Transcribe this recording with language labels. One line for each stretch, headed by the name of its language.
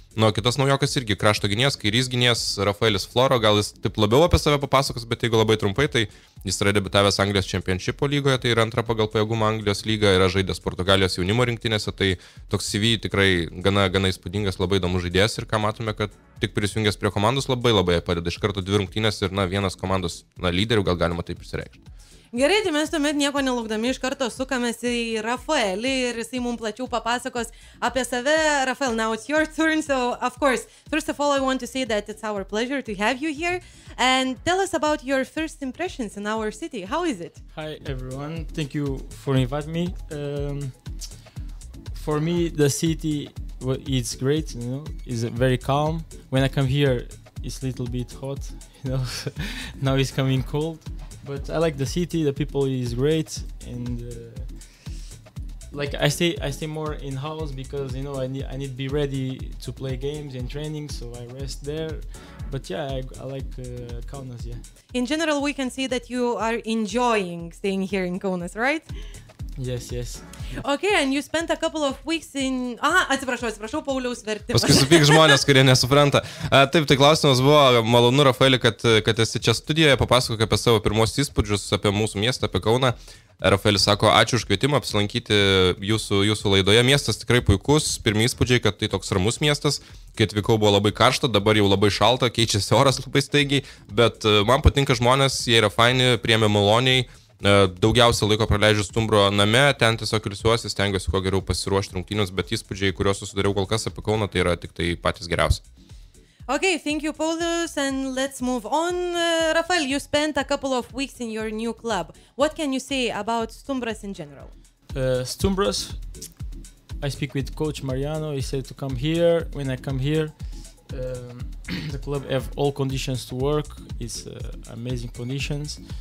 Lithuanian: Nu, kitas naujokas irgi krašto gynės, kairys gynės, Rafaelis Floro, gal jis taip labiau apie save papasakos, bet jeigu labai trumpai, tai jis yra debiutavęs Anglijos Championship lygoje, tai yra antra pagal pajėgumą Anglijos lyga, yra žaidęs Portugalijos jaunimo rinktinėse, tai toks CV tikrai gana įspūdingas, labai įdomus žaidėjas ir ką matome, kad tik prisijungęs prie komandos labai labai padeda, iš karto 2 rungtynės ir na, vienas komandos na, lyderių, gal galima taip išsireikšti. Gerai, tai mes tuomet nieko nelaukdami iš karto sukamės į Rafaelį ir jisai mums plačiau papasakos apie save.
English: Rafael, now it's your turn, so of course, first of all, I want to say that it's our pleasure to have you here. And tell us about your first impressions in our city. How is it? Hi everyone, thank you for inviting me. For me, the city is great, you know, is very calm. When I come here, it's a little bit hot, you know, now it's coming cold. But I like the city, the people is great, and like I stay more in house because, you know, I need to be ready to play games and training, so I rest there. But yeah, I like Kaunas, yeah. In general, we can see that you are enjoying staying here in Kaunas, right? Yes, yes. Okay, and you spent a couple of weeks in...
Lithuanian: Aha, atsiprašau, Pauliaus vertimas. Paskui supyk žmonės, kurie nesupranta. Taip, tai klausimas buvo, malonu, Rafaeli, kad esi čia studijoje, papasakok apie savo pirmos įspūdžius, apie mūsų miestą, apie Kauną. Rafaelis sako, ačiū už kvietimą apsilankyti jūsų laidoje. Miestas tikrai puikus, pirmi įspūdžiai, kad tai toks ramus miestas. Kai atvykau, buvo labai karšta, dabar jau labai šalta, keičiasi oras labai staigiai. Bet man patinka žmonės, jie yra faini, priėmė maloniai. Daugiausia laiko praleidžiu Stumbro name, ten tiesiog ilsiuosi, stengiuosi kuo geriau pasiruošti rungtynius, bet įspūdžiai, kuriuos susidariau kol kas apie Kauną, tai yra tik tai patys geriausi.
English: Okay, thank you, Paulius, and let's move on. Rafael, you spent a couple of weeks in your new club. What can you say about Stumbras in general? Stumbras, I speak with coach Mariano, he said to come here. When I come here, the club have all conditions to work, it's amazing conditions.